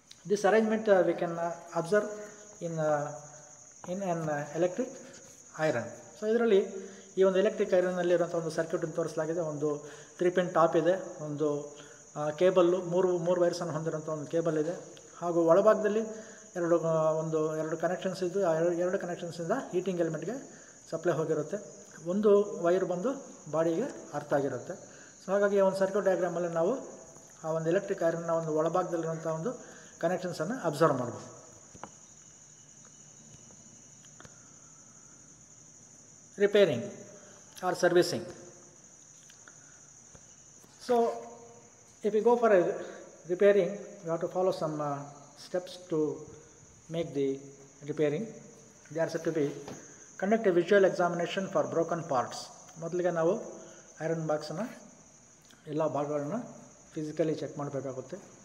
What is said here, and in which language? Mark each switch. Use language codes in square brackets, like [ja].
[en] This arrangement we can observe in an electric iron. So [kn] idralli ಈ ಒಂದು electric ಐರನ್ನಲ್ಲಿ ಇರುವಂಥ ಒಂದು ಸರ್ಕ್ಯೂಟ್ ಅನ್ನು ತೋರಿಸಲಾಗಿದೆ. ಒಂದು 3 ಪಿನ್ ಟಾಪ್ ಇದೆ, ಒಂದು ಕೇಬಲ್ಲು, ಮೂರು ವೈರ್ಸನ್ನು ಹೊಂದಿರುವಂಥ ಒಂದು ಕೇಬಲ್ ಇದೆ, ಹಾಗೂ ಒಳಭಾಗದಲ್ಲಿ ಎರಡು ಕನೆಕ್ಷನ್ಸ್ ಇದ್ದು ಎರಡು ಕನೆಕ್ಷನ್ಸಿಂದ ಹೀಟಿಂಗ್ ಎಲಿಮೆಂಟ್ಗೆ ಸಪ್ಲೈ ಹೋಗಿರುತ್ತೆ. ಒಂದು ವೈರ್ ಬಂದು ಬಾಡಿಗೆ ಅರ್ಥ ಆಗಿರುತ್ತೆ. ಸೊ ಹಾಗಾಗಿ ಒಂದು ಸರ್ಕ್ಯೂಟ್ ಡಯಾಗ್ರಾಮಲ್ಲಿ ನಾವು ಆ ಒಂದು ಎಲೆಕ್ಟ್ರಿಕ್ ಐರನ್ನ ಒಂದು ಒಳಭಾಗದಲ್ಲಿರುವಂಥ ಒಂದು ಕನೆಕ್ಷನ್ಸನ್ನು ಅಬ್ಸರ್ವ್ ಮಾಡ್ಬೋದು. [en] Repairing or servicing. So if you go for a repairing, you have to follow some steps to make the repairing. They are said to be: conduct a visual examination for broken parts. [kn] ಮೊದಲಿಗೆ ನಾವು iron ಬಾಕ್ಸನ್ನು ಎಲ್ಲ ಭಾಗಗಳನ್ನ physically check ಮಾಡಬೇಕಾಗುತ್ತೆ.